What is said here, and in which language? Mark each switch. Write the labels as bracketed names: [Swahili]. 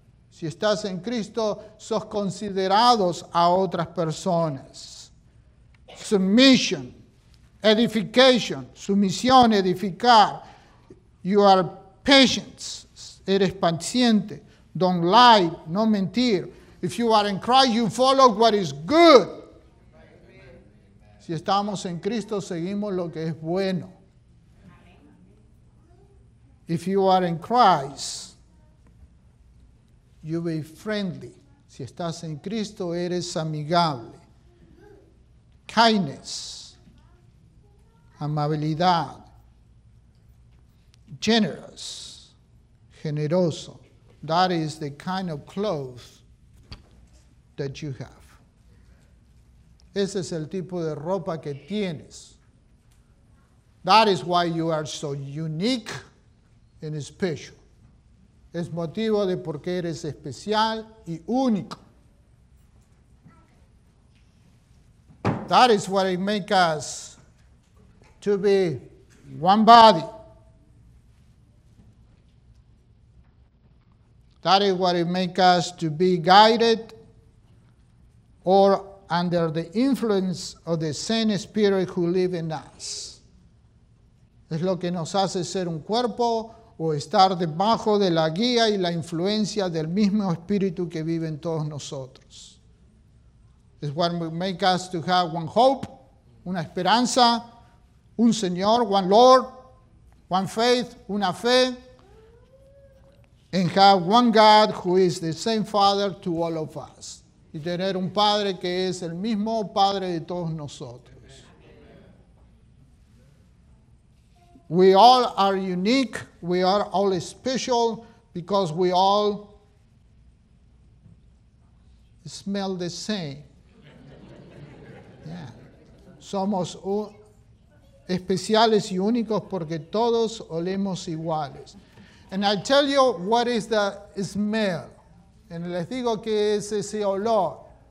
[Spanish] Si estás en Cristo, sos considerados a otras personas. [English] Submission, edification, sumisión, edificar. You are patient, [Spanish] eres paciente. [English] Don't lie, [Spanish] no mentir. [English] If you are in Christ, you follow what is good. [Spanish] Si estamos en Cristo, seguimos lo que es bueno. [English] If you are in Christ, you be friendly. [Spanish] Si estás en Cristo, eres amigable. [English] Kindness, amabilidad, generous, generoso. That is the kind of clothes that you have. [Spanish] Ese es el tipo de ropa que tienes. [English] That is why you are so unique and special. [Spanish] Es motivo de por qué eres especial y único. [English] That is what it makes us to be one body. That is what it makes us to be guided or under the influence of the same spirit who lives in us. [Spanish] Es lo que nos hace ser un cuerpo o estar debajo de la guía y la influencia del mismo espíritu que vive en todos nosotros. [English] It's what makes us to have one hope, [Spanish] una esperanza, un Señor, [English] one Lord, one faith, [Spanish] una fe, [English] and have one God who is the same Father to all of us. [Spanish] Y tener un Padre que es el mismo Padre de todos nosotros. [English] We all are unique, we are all special, because we all smell the same. [Spanish] Somos especiales y únicos porque todos olemos iguales. [English] And I tell you what is the smell. And [Spanish] les digo que es ese olor.